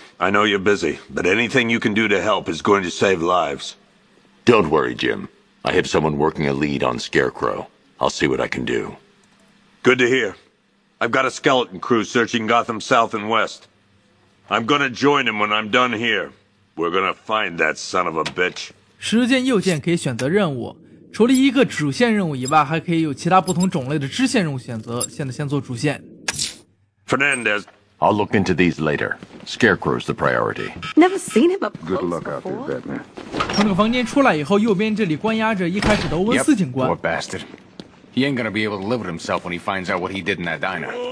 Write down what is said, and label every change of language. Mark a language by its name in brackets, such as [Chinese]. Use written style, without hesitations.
[English] I know you're busy, but anything you can do to help is going to save lives. Don't worry, Jim. I have someone working a lead on Scarecrow. I'll see what I can do. Good to hear. I've got a skeleton crew searching Gotham south and west. I'm gonna join him when I'm done here. We're gonna find that son of a bitch. [Chinese] 时间右键可以选择任务，除了一个主线任务以外，还可以有其他不同种类的支线任务选择。现在先做主线。 [English] Fernandez, I'll look into these later. Scarecrow's the priority. Never seen him up close. Good luck out there, Batman. [Chinese] 从这个房间出来以后，右边这里关押着一开始的欧文斯警官。 [English] Yep, poor bastard. He ain't gonna be able to live with himself when he finds out what he did in that diner.